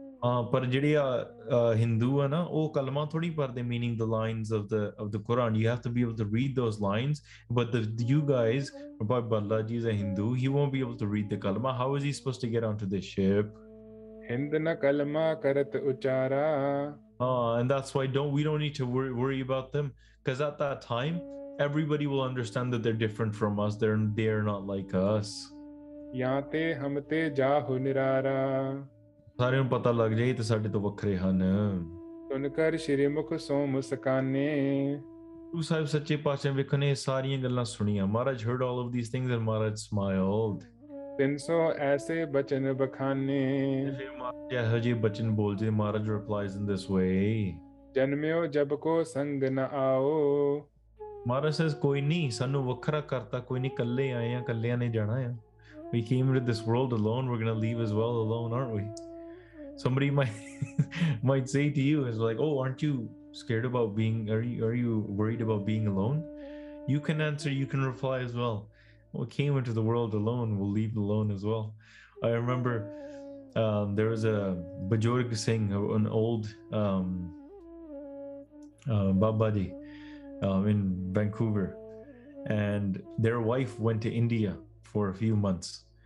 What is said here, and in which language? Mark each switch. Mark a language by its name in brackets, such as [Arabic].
[Punjabi] Par jehde Hindu hai na, oh kalma thodi parde, [English] meaning the lines of the Quran. You have to be able to read those lines. But the you guys, Bhai Balla ji is a Hindu, he won't be able to read the kalma. How is he supposed to get onto the ship? [Punjabi] Hind ਨ ਕਲਮਾ ਕਰਤ ਉਚਾਰਾ [English] and that's why don't we don't need to worry about them cause at that time everybody will understand that they different from us they are not like us [Punjabi] ਯਾਂ ਤੇ ਹਮ ਤੇ ਜਾ ਹੋ ਨਿਰਾਰਾ ਸਾਰਿਆਂ ਨੂੰ ਪਤਾ ਲੱਗ ਜਾਏ ਤੇ ਸਾਡੇ ਤੋਂ ਵੱਖਰੇ ਹਨ ਸੁਣ ਕਰ ਸ਼੍ਰੀ ਮੁਖ ਸੋ ਮੁਸਕਾਨੇ ਗੁਰੂ ਸਾਹਿਬ ਸੱਚੇ ਪਾਤਸ਼ਾਹ ਵੇਖੋ ਨੇ ਸਾਰੀਆਂ ਗੱਲਾਂ ਸੁਣੀਆਂ ਮਹਾਰਾਜ [English] heard all of these things and Maharaj smiled [Punjabi] 300 ਐਸੇ ਬਚਨ ਬਖਾਨੇ ਇਹੋ ਜਿਹੇ ਬਚਨ ਬੋਲ ਜੇ ਮਹਾਰਾਜ [English] replies in this way [Punjabi] ਜਨਮਿਓ ਜਬ ਕੋ ਸੰਗ ਨਾ ਆਓ ਮਹਾਰਾਜ ਸੇਸ ਕੋਈ ਨਹੀਂ ਸਾਨੂੰ ਵੱਖਰਾ ਕਰਤਾ ਕੋਈ ਨਹੀਂ ਇਕੱਲੇ ਆਏ ਆ ਇਕੱਲਿਆਂ ਨੇ ਜਾਣਾ ਆ [English] We came to this world alone we are going to leave as well alone aren't we somebody might say to you is like, oh, aren't you scared about being, are you worried about being alone? You can answer, you can reply as well. What came into the world alone will leave alone as well. I remember there was a Bajorg Singh, an old Babadi in Vancouver, and their wife went to India for a few months.